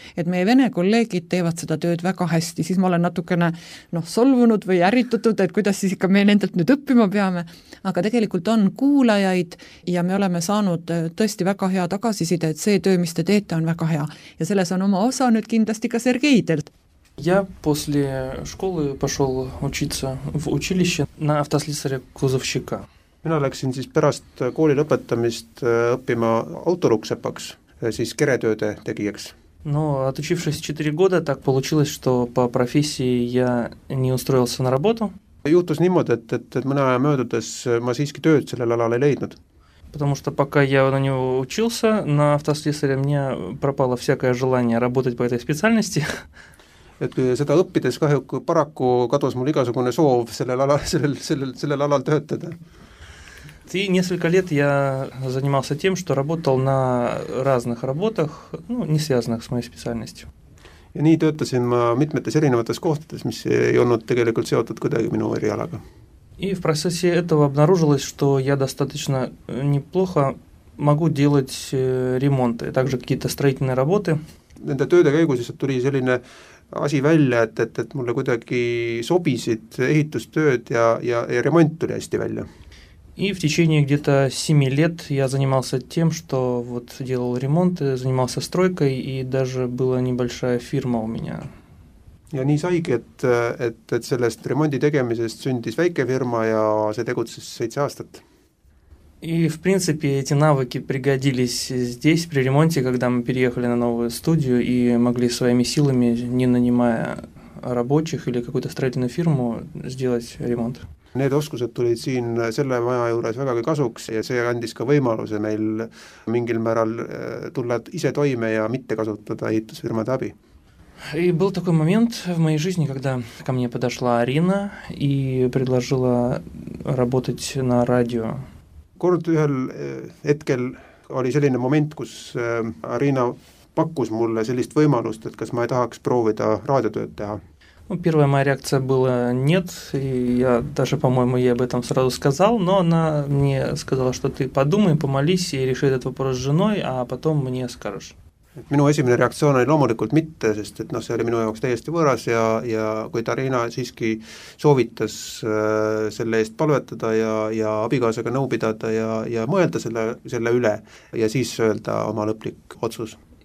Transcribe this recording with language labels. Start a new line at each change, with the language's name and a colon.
Estonian: Et meie vene kolleegid teevad seda tööd väga hästi. Siis ma olen natukene solvunud või ärritutud, et kuidas siis ikka meie nendelt nüüd õppima peame. Aga tegelikult on kuulajaid ja me oleme saanud tõesti väga hea tagasiside, et see töö, mis te teete, on väga hea. Ja selles on oma osa nüüd kindlasti ka Sergei teilt.
Russian: Я после школы пошел учиться в училище на автослесаря-кузовщика.
Estonian: Mina läksin siis pärast kooli lõpetamist õppima autoruksepaks, siis keretööde tegijaks.
Russian: Но отучившись 4 года, так получилось, что по профессии я не устроился на работу.
Estonian: Juhtus niimoodi, et mõne aja möödudes ma siiski tööd sellel alal ei leidnud.
Russian: Потому что пока я на него учился, на автослесаря мне пропало всякое желание работать по этой специальности.
Estonian: Et seda õppides kahjuks paraku kadus mul igasugune soov sellel alal töötada.
Russian: Ti несколько лет я занимался тем, что работал на разных работах, не связанных с моей специальностью.
Estonian: Ja nii töötasin ma mitmetes erinevates kohtades, mis ei olnud tegelikult seotud kuidagi minu erialaga.
Russian: И в процессе этого обнаружилось, что я достаточно неплохо могу делать ремонты, также какие-то строительные работы.
Estonian: Nende tööde käigus siis tuli selline asi välja, et mulle kuidagi sobisid ehitustööd ja remont tuli hästi välja.
Russian: И в течение где-то 7 лет я занимался тем, что вот делал ремонт, занимался стройкой и даже была небольшая фирма у меня.
Estonian: Ja nii saigi, et sellest remondi tegemisest sündis väike firma ja see tegutses 7 aastat.
Russian: И в принципе эти навыки пригодились здесь при ремонте, когда мы переехали на новую студию и могли своими силами, не нанимая рабочих или какую-то строительную фирму, сделать ремонт.
Estonian: Need oskused tulid siin selle maja juures väga kasuks ja see andis ka võimaluse meil mingil määral tulla ise toime ja mitte kasutada ehitusfirmade abi.
Russian: И был такой момент в моей жизни, когда ко мне подошла Арина и предложила работать на радио.
Estonian: Kord ühel hetkel oli selline moment, kus Arina pakkus mulle sellist võimalust, et kas ma ei tahaks proovida raadiotööd teha.
Russian: Первая моя реакция была нет, и я даже, по-моему, ей об этом сразу сказал, но она мне сказала, что ты подумай, помолись и реши этот вопрос с женой, а потом мне скажешь.
Estonian: Minu esimene reaktsioon oli loomulikult mitte, sest et see oli minu jaoks täiesti võõras ja kui Arina siiski soovitas selle eest palvetada ja abikaasaga nõu pidada ja mõelda selle üle ja siis öelda oma lõplik otsus.